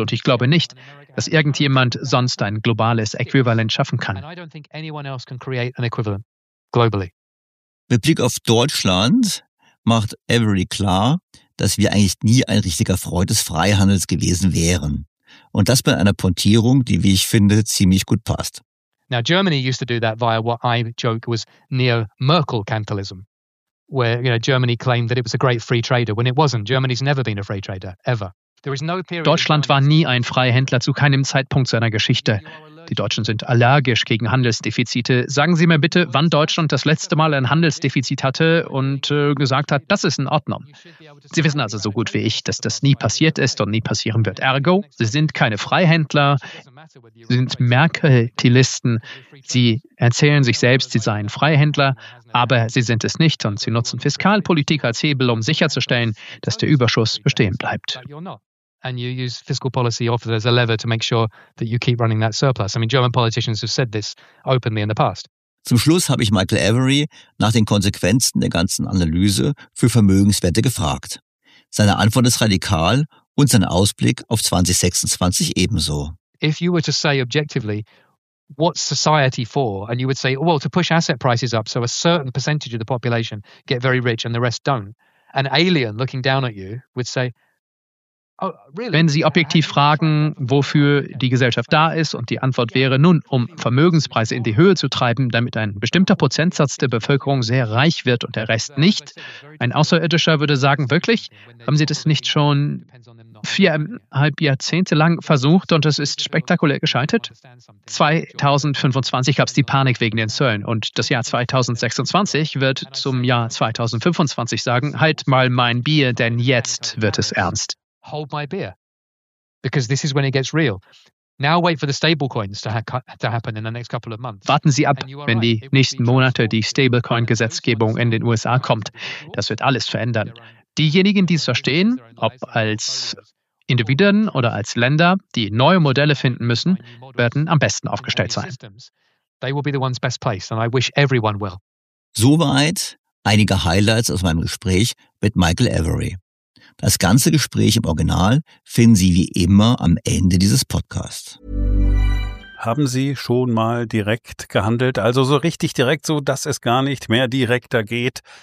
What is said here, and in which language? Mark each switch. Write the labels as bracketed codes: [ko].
[de] Und ich glaube nicht, dass irgendjemand sonst ein globales Äquivalent schaffen kann. Mit Blick auf Deutschland macht Avery klar, dass wir eigentlich nie ein richtiger Freund des Freihandels gewesen wären. Und das bei einer Pointierung, die, wie ich finde, ziemlich gut passt. [en] Now Germany used to do that via what I joke was neo-Merkel-Kantalism, where, you know, Germany claimed that it was a great free trader when it wasn't. Germany's never been a free trader, ever. There is no period. [de] Deutschland war nie ein Freihändler zu keinem Zeitpunkt seiner Geschichte. Die Deutschen sind allergisch gegen Handelsdefizite. Sagen Sie mir bitte, wann Deutschland das letzte Mal ein Handelsdefizit hatte und gesagt hat, das ist in Ordnung. Sie wissen also so gut wie ich, dass das nie passiert ist und nie passieren wird. Ergo, Sie sind keine Freihändler, Sie sind Merkel-Tilisten. Sie erzählen sich selbst, Sie seien Freihändler, aber Sie sind es nicht und Sie nutzen Fiskalpolitik als Hebel, um sicherzustellen, dass der Überschuss bestehen bleibt. [en] And you use fiscal policy offered as a lever to make sure that you keep running that surplus. I mean, German politicians have said this openly in the past. [de] Zum Schluss habe ich Michael Avery nach den Konsequenzen der ganzen Analyse für Vermögenswerte gefragt. Seine Antwort ist radikal und sein Ausblick auf 2026 ebenso. [en] If you were to say objectively, what's society for? And you would say, well, to push asset prices up so a certain percentage of the population get very rich and the rest don't. An alien looking down at you would say, [de] wenn Sie objektiv fragen, wofür die Gesellschaft da ist, und die Antwort wäre, nun, um Vermögenspreise in die Höhe zu treiben, damit ein bestimmter Prozentsatz der Bevölkerung sehr reich wird und der Rest nicht, ein Außerirdischer würde sagen, wirklich, haben Sie das nicht schon 4,5 Jahrzehnte lang versucht und es ist spektakulär gescheitert. 2025 gab es die Panik wegen den Zöllen und das Jahr 2026 wird zum Jahr 2025 sagen, halt mal mein Bier, denn jetzt wird es ernst. [en] Hold my beer, because this is when it gets real. Now wait for the stablecoins to happen in the next couple of months. [de] Warten Sie ab, wenn die nächsten Monate die Stablecoin-Gesetzgebung in den USA kommt. Das wird alles verändern. Diejenigen, die es verstehen, ob als Individuen oder als Länder, die neue Modelle finden müssen, werden am besten aufgestellt sein. [en] They will be the ones best placed, and I wish everyone will. [de] Soweit einige Highlights aus meinem Gespräch mit Michael Avery. Das ganze Gespräch im Original finden Sie wie immer am Ende dieses Podcasts. Haben Sie schon mal direkt gehandelt? Also so richtig direkt, so dass es gar nicht mehr direkter geht?